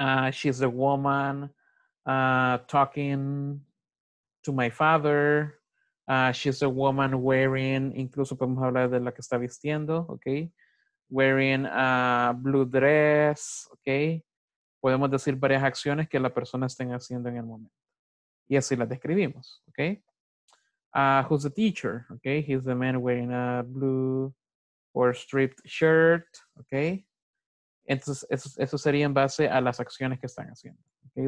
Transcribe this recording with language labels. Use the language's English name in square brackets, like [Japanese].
[English] She's the woman talking to my father. She's a woman wearing, [Spanish] incluso podemos hablar de la que está vistiendo, okay? [English] Wearing a blue dress, okay? [Spanish] Podemos decir varias acciones que la persona está haciendo en el momento. Y así las describimos, [English] okay? Who's the teacher, okay? He's the man wearing a blue or striped shirt, okay? [Spanish] Entonces, eso sería en base a las acciones que están haciendo, okay?